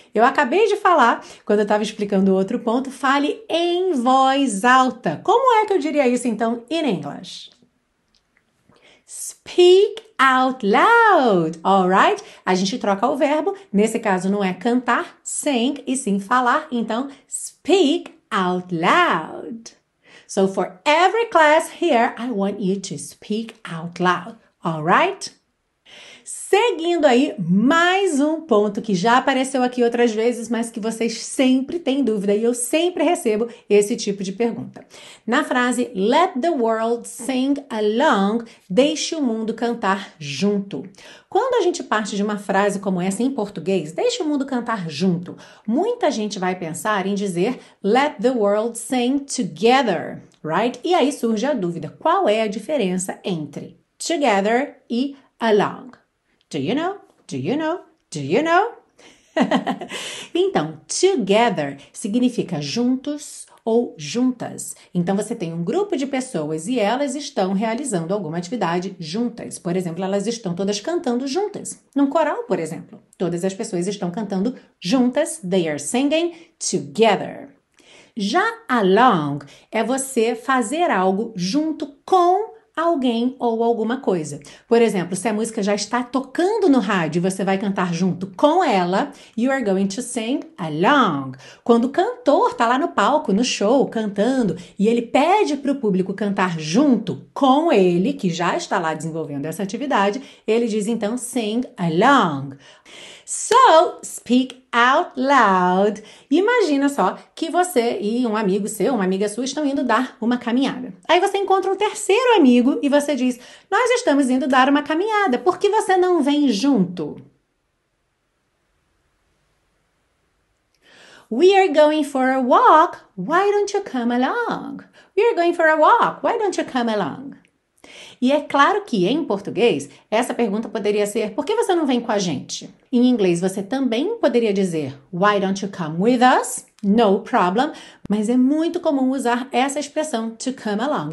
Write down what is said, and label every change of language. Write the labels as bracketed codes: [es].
[pt] Eu acabei de falar, quando eu estava explicando o outro ponto, fale em voz alta. Como é que eu diria isso então in English? [en] Speak out loud, alright? [pt] A gente troca o verbo, nesse caso não é cantar, sing, e sim falar. [en] Então, speak out loud. So, for every class here, I want you to speak out loud, alright? [pt] Seguindo aí, mais um ponto que já apareceu aqui outras vezes, mas que vocês sempre têm dúvida e eu sempre recebo esse tipo de pergunta. Na frase, [en] let the world sing along, [pt] deixe o mundo cantar junto. Quando a gente parte de uma frase como essa em português, deixe o mundo cantar junto, muita gente vai pensar em dizer, [en] let the world sing together, right? [pt] E aí surge a dúvida, qual é a diferença entre together e along? [en] Do you know? Do you know? [pt] Do you know? Então, together significa juntos ou juntas. Então, você tem um grupo de pessoas e elas estão realizando alguma atividade juntas. Por exemplo, elas estão todas cantando juntas. Num coral, por exemplo, todas as pessoas estão cantando juntas. [en] They are singing together. [pt] Já along é você fazer algo junto com alguém ou alguma coisa. Por exemplo, se a música já está tocando no rádio, você vai cantar junto com ela. [en] You are going to sing along. [pt] Quando o cantor está lá no palco, no show, cantando, e ele pede para o público cantar junto com ele, que já está lá desenvolvendo essa atividade, ele diz então sing along. [en] So, speak out loud. [pt] Imagina só que você e um amigo seu, uma amiga sua, estão indo dar uma caminhada. Aí você encontra um terceiro amigo e você diz, nós estamos indo dar uma caminhada, por que você não vem junto? [en] We are going for a walk, why don't you come along? We are going for a walk, why don't you come along? [pt] E é claro que em português, essa pergunta poderia ser, por que você não vem com a gente? Em inglês, você também poderia dizer, [en] why don't you come with us? No problem. [pt] Mas é muito comum usar essa expressão, to come along.